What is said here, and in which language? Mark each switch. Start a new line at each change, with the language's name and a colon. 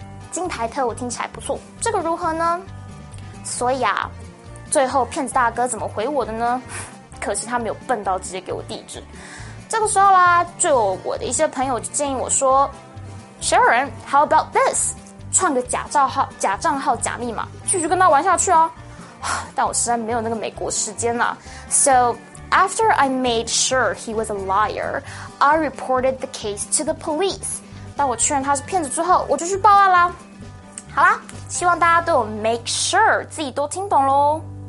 Chinese: 金牌特务听起来不错，这个如何呢？所以啊，最后骗子大哥怎么回我的呢？可惜他没有笨到直接给我地址。这个时候啦，就有我的一些朋友就建议我说
English: Sharon how about this，
Chinese: 创个假账号、假账号、假密码继续跟他玩下去哦。但我实在没有那个美国时间了。
English: So after I made sure he was a liar, I reported the case to the police.
Chinese: 当我确认他是骗子之后，我就去报案啦。好啦，希望大家都有 make sure 自己都听懂咯。